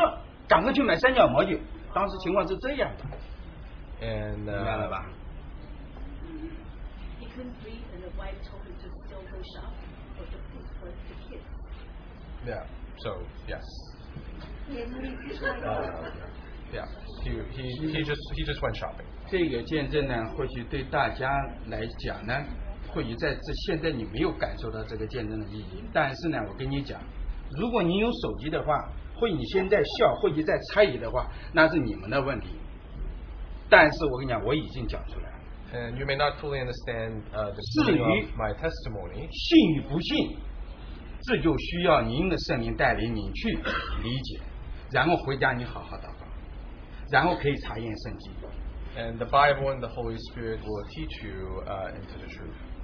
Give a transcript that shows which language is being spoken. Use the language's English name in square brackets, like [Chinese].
[Chinese] 所以我说我说的话是颠三倒四的，就是一开门一瞬间我不能呼吸，然后说，哎，我怎么不能呼吸了？赶快去买三角膜去。当时情况是这样的。 [English] And [Chinese] 明白了吧? [English] He couldn't breathe, and the wife told him to still go shop for the food for the kids. Yeah. So yes. He just went shopping. [Chinese] 这个见证呢，或许对大家来讲呢，或许在这现在你没有感受到这个见证的意义。但是呢，我跟你讲，如果你有手机的话，或许你现在笑，或许在猜疑的话，那是你们的问题。但是我跟你讲，我已经讲出来了。 [English] And you may not fully understand the meaning of my testimony. [Chinese] 信与不信。这就需要您的圣灵带领您去理解，然后回家你好好祷告，然后可以查验圣经。And [English] the Bible and the Holy Spirit will teach you into the truth.